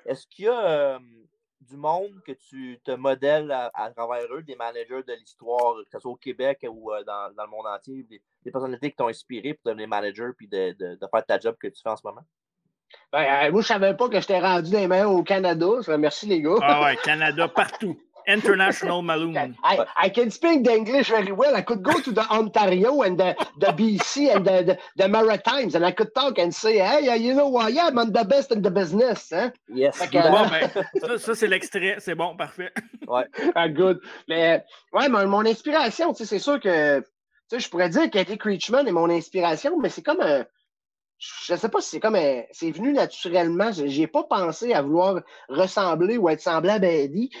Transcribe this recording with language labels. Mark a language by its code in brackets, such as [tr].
[fr] Est-ce qu'il y a du monde que tu te modèles à travers eux, des managers de l'histoire, que ce soit au Québec ou dans le monde entier, des personnalités qui t'ont inspiré pour devenir manager puis de faire ta job que tu fais en ce moment? Ben, moi, je ne savais pas que je t'ai rendu des mains au Canada. Merci, les gars. Ah ouais, Canada partout. International Maloon. [en] I can speak the English very well. I could go to the Ontario and the BC and the Maritimes and I could talk and say, hey, you know what? Yeah, I'm the best in the business. [fr] Hein? [en] Yes. [fr] Bon, ben, ça, c'est l'extrait. C'est bon, parfait. Ouais. [en] Good. [fr] Mais, ouais, mon inspiration, tu sais, c'est sûr que, tu sais, je pourrais dire qu'Eddie Creechman est mon inspiration, mais c'est comme un. Je sais pas si c'est comme c'est venu naturellement. J'ai pas pensé à vouloir ressembler ou être semblable à Eddie.